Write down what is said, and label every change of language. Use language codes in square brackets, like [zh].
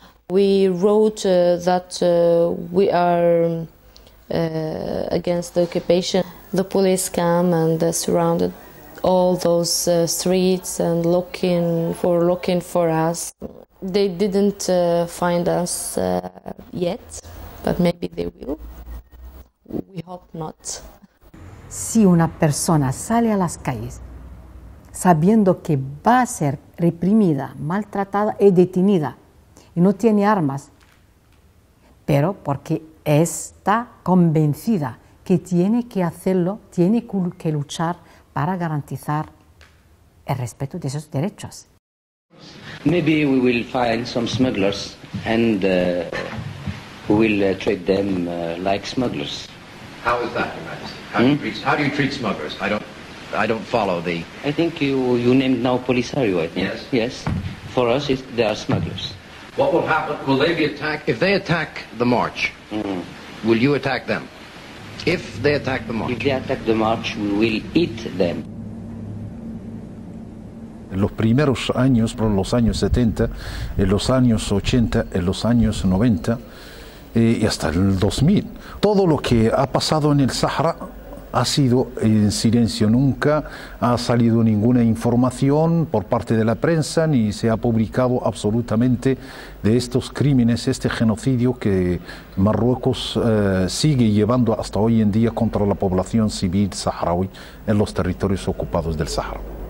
[en] We wrote that we are against the occupation. The police came and surrounded all those streets and looking for us. They didn't find us yet, but maybe they will. We hope not. [es] Si una persona sale a las calles sabiendo que va a ser reprimida, maltratada y detenida, y no tiene armas, pero porque está convencida que tiene que hacerlo, tiene que luchar para garantizar el respeto de esos derechos. [en] Maybe we will find some smugglers and we will treat them like smugglers. How is that, Your Majesty? How do you treat smugglers? I don't follow the. I think you named now Polisario. I think yes. For us, they are smugglers. What will happen? Will they be attacked? If they attack the march, mm-hmm. will you attack them? If they attack the march. If they attack the march, we will eat them. [es] En los primeros años, por los años 70, en los años 80, en los años 90, y hasta el 2000, todo lo que ha pasado en el Sahara ha sido en silencio, nunca ha salido ninguna información por parte de la prensa ni se ha publicado absolutamente de estos crímenes, este genocidio que Marruecos sigue llevando hasta hoy en día contra la población civil saharaui en los territorios ocupados del Sahara.